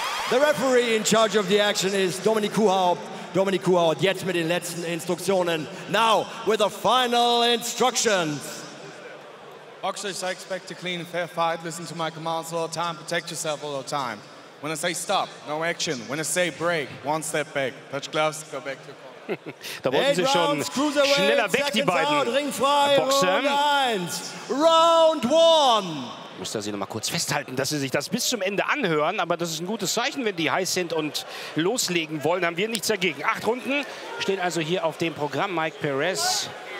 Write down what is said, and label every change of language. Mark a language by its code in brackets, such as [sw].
[en] The referee in charge of the action is Dominik Kuhhaupt. [de] Dominik Kuhhaupt, jetzt mit den letzten Instruktionen. [en] Now, with the final instructions. Boxers, I expect a clean and fair fight. Listen to my commands all the time. Protect yourself all the time. When I say stop, no action. When I say break, one step back. Touch gloves, go back to court. [de] Da wollten sie schon schneller weg, die beiden Boxer. [en] Round one. [de] Muss da sie noch mal kurz festhalten, dass sie sich das bis zum Ende anhören. Aber das ist ein gutes Zeichen, wenn die heiß sind und loslegen wollen. Haben wir nichts dagegen. Acht Runden stehen also hier auf dem Programm. Mike Perez.